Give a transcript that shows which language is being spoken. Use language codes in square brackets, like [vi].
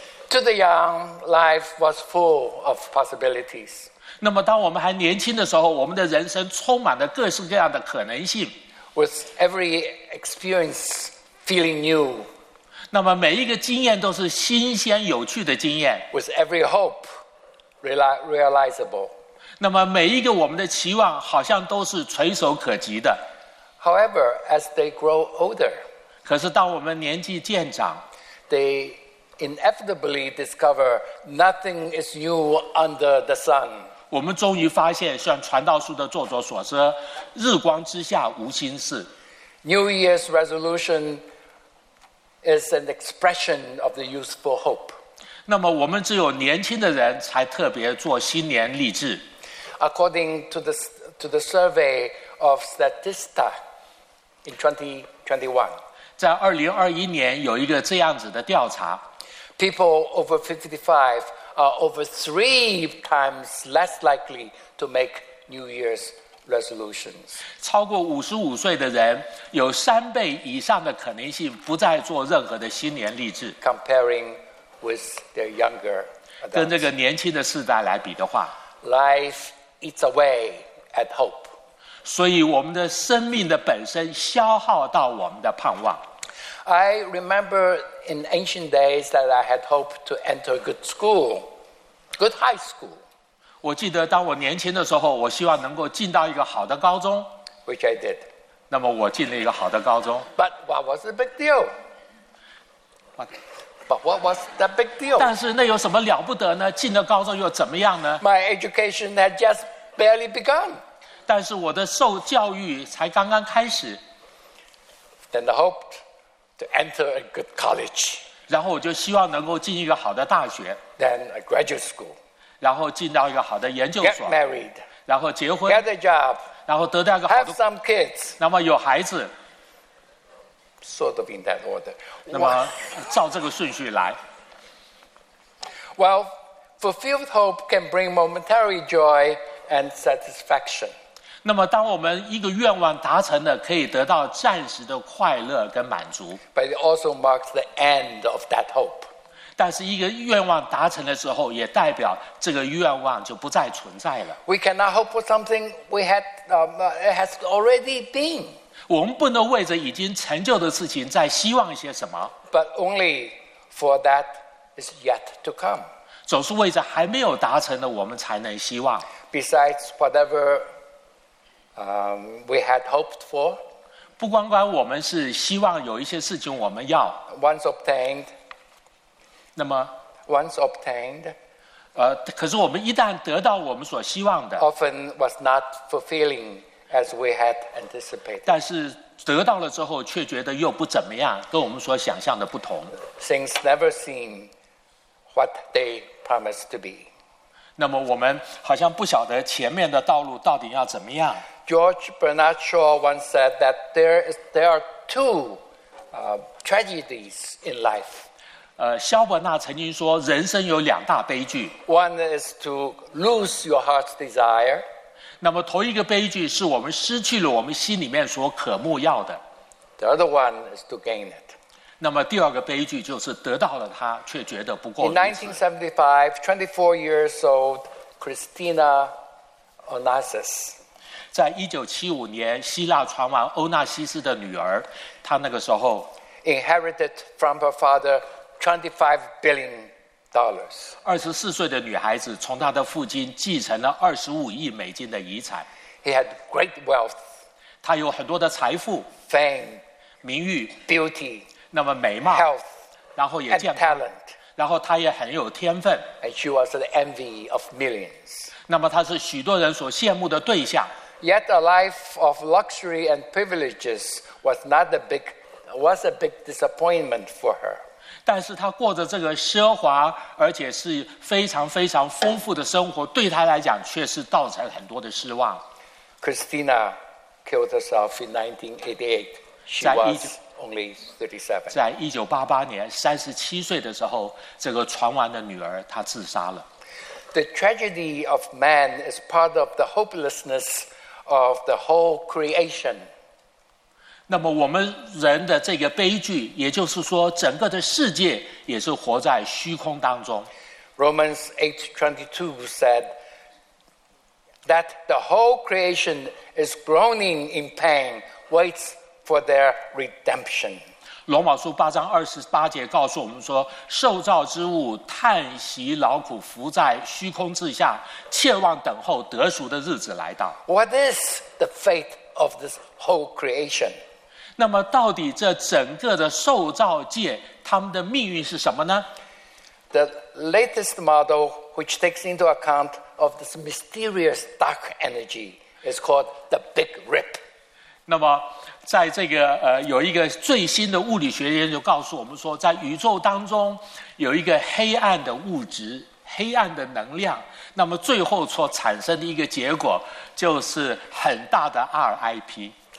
[en] To the young, life was full of possibilities. [zh] 那么当我们还年轻的时候，我们的人生充满了各式各样的可能性。 [en] With every experience feeling new. [zh] 那么每一个经验都是新鲜有趣的经验。 [en] With every hope realizable. [zh] 那么每一个我们的期望好像都是垂手可及的。 [en] However, as they grow older, [zh] 可是当我们年纪渐长， [en] they inevitably discover nothing is new under the sun. [zh] 我们终于发现，像传道书的作者所说，日光之下无新事。 [en] New Year's resolution is an expression of the youthful hope. [zh] 那么我们只有年轻的人才特别做新年励志。 [en] According to the survey of Statista in 2021, [zh] 在2021年有一个这样子的调查， [en] people over 55 are over 3 times less likely to make New Year's resolutions. [zh] 超过55岁的人有3倍以上的可能性不再做任何的新年励志。 [en] Comparing with their younger, [zh] 跟这个年轻的世代来比的话， [en] life. It's a way at hope. [zh] 所以我们的生命的本身消耗到我们的盼望。 [en] I remember in ancient days that I had hoped to enter a good school, good high school. [zh] 我记得当我年轻的时候，我希望能够进到一个好的高中。 [en] Which I did. [zh] 那么我进了一个好的高中。 [en] But what was the big deal? But what was the big deal? [zh] 但是那有什么了不得呢？进了高中又怎么样呢？ [en] My education had just barely begun. [zh] 但是我的受教育才刚刚开始。 [en] Then I hoped to enter a good college. [zh] 然后我就希望能够进一个好的大学。 [en] Then a graduate school. [zh] 然后进到一个好的研究所。 [en] Get married. [zh] 然后结婚。 [en] Get a job. [zh] 然后得到一个好的。 [en] Have some kids. [zh] 那么有孩子。 [en] Sort of in that order. [zh] 那么照这个顺序来。 [en] Well, fulfilled hope can bring momentary joy and satisfaction. [zh] 那么当我们一个愿望达成了，可以得到暂时的快乐跟满足。 [en] But it also marks the end of that hope. [zh] 但是一个愿望达成的时候，也代表这个愿望就不再存在了。 [en] We cannot hope for something we had, it has already been. [zh] 我们不能为着已经成就的事情再希望一些什么。 [en] But only for that is yet to come. [zh] 总是为着还没有达成的，我们才能希望。 [en] Besides whatever, we had hoped for. [zh] 不光光我们是希望有一些事情我们要。 [en] Once obtained. [zh] 那么。 [en] Once obtained. [zh] 可是我们一旦得到我们所希望的。 [en] Often was not fulfilling. As we had anticipated. [zh] 但是得到了之后却觉得又不怎么样，跟我们所想象的不同。 [en] Things never seem what they promised to be. [zh] 那么我们好像不晓得前面的道路到底要怎么样。 [en] George Bernard Shaw once said that there are two tragedies in life. [zh] 肖伯纳曾经说人生有两大悲剧。 [en] One is to lose your heart's desire. [zh] 那么头一个悲剧是我们失去了我们心里面所渴慕要的。 [en] The other one is to gain it. [zh] 那么第二个悲剧就是得到了它却觉得不过如此。 [en] In 1975, 24 years old, Christina Onassis. [zh] 在1975年希腊船王欧纳西斯的女儿，她那个时候 [en] inherited from her father $25 billion. [zh] 24岁的女孩子从她的父亲继承了 [en] $25 billion [zh] 的遗产。 [en] He had great wealth. [zh] 她有很多的财富。 [en] Fame. [zh] 名誉。 [en] Beauty. [zh] 那么美貌。 [en] Health. [zh] 然后也健康。 [en] And talent. [zh] 然后她也很有天分。 [en] And she was the envy of millions. [zh] 那么她是许多人所羡慕的对象。 [en] Yet a life of luxury and privileges was not a big, was a big disappointment for her. [zh] 但是他过着这个奢华而且是非常非常丰富的生活，对他来讲却是造成很多的失望。 [en] Christina killed herself in 1988. She was only 37. [zh] 在1988年37岁的时候，这个船王的女儿她自杀了。 [en] The tragedy of man is part of the hopelessness of the whole creation. [zh] 那么我们人的这个悲剧，也就是说整个的世界也是活在虚空当中。 [en] Romans 8:22 said that the whole creation is groaning in pain, waits for their redemption. [zh] 罗马书8:28告诉我们说，受造之物叹息劳苦，伏在虚空之下，切望等候得赎的日子来到。 [en] What is the fate of this whole creation? [zh] 那么到底这整个的受造界他们的命运是什么呢？ [en] The latest model which takes into account of this mysterious dark energy is called the Big Rip. [zh] 那么在这个有一个最新的物理学研究告诉我们说，在宇宙当中有一个黑暗的物质，黑暗的能量，那么最后所产生的一个结果就是很大的 RIP。